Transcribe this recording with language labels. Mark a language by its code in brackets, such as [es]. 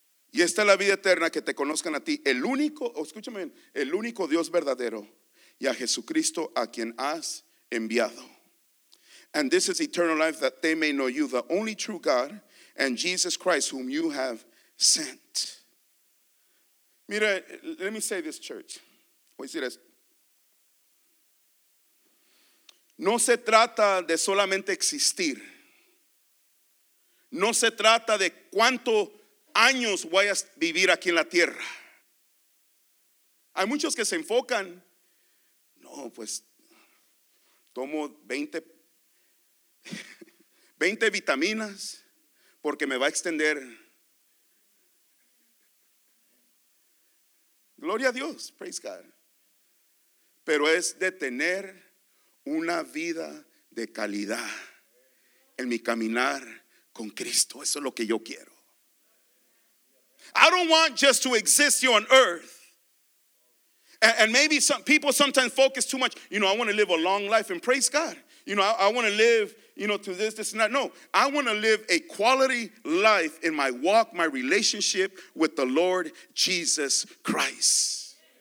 [es] Y esta es la vida eterna, que te conozcan a ti, el único, escúchame bien, el único Dios verdadero, y a Jesucristo a quien has enviado. [en] And this is eternal life, that they may know you, the only true God, and Jesus Christ whom you have sent. [es] Mira, [en] let me say this, church. [es] Voy a decir esto. No se trata de solamente existir. No se trata de cuánto años voy a vivir aquí en la tierra. Hay muchos que se enfocan. No, pues tomo 20 vitaminas porque me va a extender. Gloria a Dios, [en] praise God. [es] Pero es de tener una vida de calidad en mi caminar con Cristo. Eso es lo que yo quiero. [en] I don't want just to exist here on earth. And maybe some people sometimes focus too much. You know, I want to live a long life, and praise God. You know, I want to live, you know, to this and that. No, I want to live a quality life in my walk, my relationship with the Lord Jesus Christ.